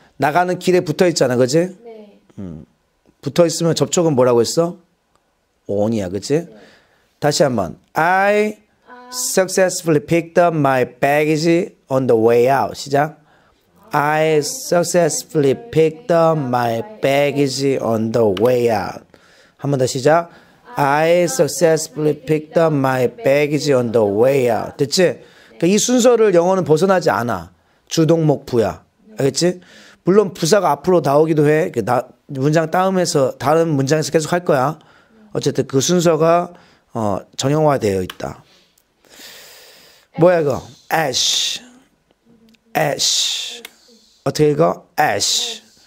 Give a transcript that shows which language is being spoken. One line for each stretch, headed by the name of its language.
Korean: 나가는 길에 붙어 있잖아, 그지? 네. 붙어 있으면 접촉은 뭐라고 했어? On이야, 그치? 네. 다시 한 번.
English: I successfully picked up my baggage on the way out.
Korean: 시작.
English: I successfully picked up my baggage on the way out.
Korean: 한 번 더 시작.
English: I successfully picked up my baggage on the way out.
Korean: 됐지? 그러니까 이 순서를 영어는 벗어나지 않아. 주동목 부야. 알겠지? 물론 부사가 앞으로 나오기도 해. 문장 따음에서 다른 문장에서 계속 할 거야. 어쨌든 그 순서가 정형화되어 있다. 뭐야 이거? Ash. Ash. 어떻게 읽어? Ash.